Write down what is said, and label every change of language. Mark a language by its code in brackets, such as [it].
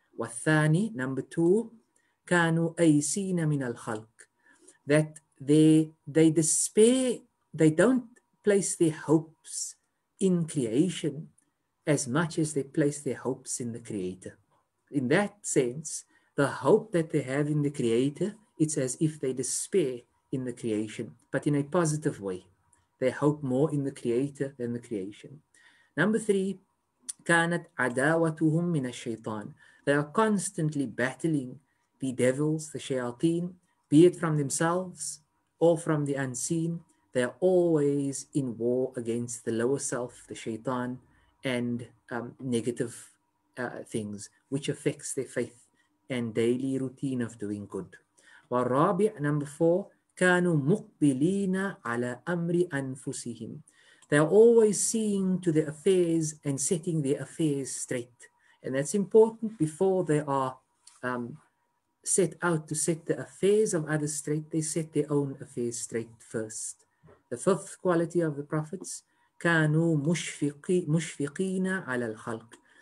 [ar] Wathani, [en] number two, [ar] kanu aysina min al-khalq, [en] that they despair, they don't place their hopes in creation as much as they place their hopes in the Creator. In that sense, the hope that they have in the Creator, it's as if they despair in the creation, but in a positive way. They hope more in the Creator than the creation. Number three, [ar] كانت عداوتهم من الشيطان. [en] They are constantly battling the devils, the shayateen, be it from themselves or from the unseen. They are always in war against the lower self, the shaitan, and negative things, which affects their faith and daily routine of doing good. [ar] والرابع, [en] number four, [ar] كانوا مقبلين على أمر أنفسهم. [en] They are always seeing to their affairs and setting their affairs straight. And that's important. Before they are set out to set the affairs of others straight, they set their own affairs straight first. The fifth quality of the prophets, [ar] كانوا مشفقين على الخلق.